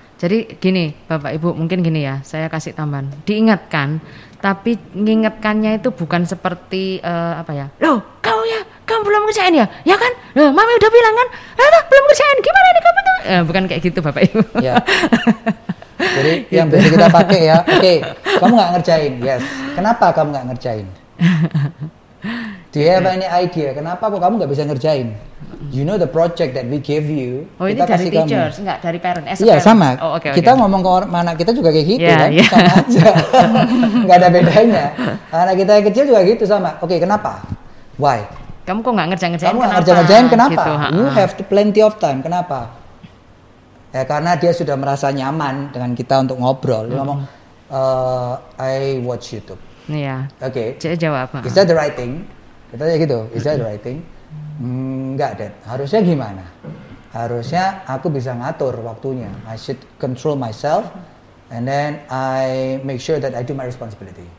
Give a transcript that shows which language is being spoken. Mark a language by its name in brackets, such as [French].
[Indonesian] Jadi gini Bapak Ibu, mungkin gini ya, saya kasih tambahan, diingatkan tapi ngingatkannya itu bukan seperti loh kau ya, kamu belum ngerjain ya, ya kan, loh, mami udah bilang kan belum ngerjain, gimana nih kamu tuh, bukan kayak gitu Bapak Ibu. Jadi yang biasa kita pakai ya, oke, kamu nggak ngerjain, kenapa kamu nggak ngerjain? [English] Do you have any idea? [Indonesian] Kenapa kok kamu nggak bisa ngerjain? [English] You know the project that we give you, [Indonesian] kita kasih kamu. Oh ini dari teacher, nggak dari parent? Iya sama. Oh, okay. Kita ngomong ke anak kita juga kayak gitu kan, sama aja, nggak ada bedanya. Anak kita yang kecil juga gitu sama. Oke, kenapa? Why? Kamu kok nggak ngerjain? Kamu nggak ngerjain kenapa? Gitu, [English] you have plenty of time. [Indonesian] Kenapa? Ya, karena dia sudah merasa nyaman dengan kita untuk ngobrol. Dia ngomong, [English] I watch YouTube. [Indonesian] Iya. Oke. Okay. Cek jawab. [English] Is that the right thing? [Indonesian] Kita tanya gitu, [English] is that the right thing? [Indonesian] Enggak, [English] Dad. [Indonesian] Harusnya gimana? Harusnya aku bisa ngatur waktunya. [English] I should control myself. And then I make sure that I do my responsibility.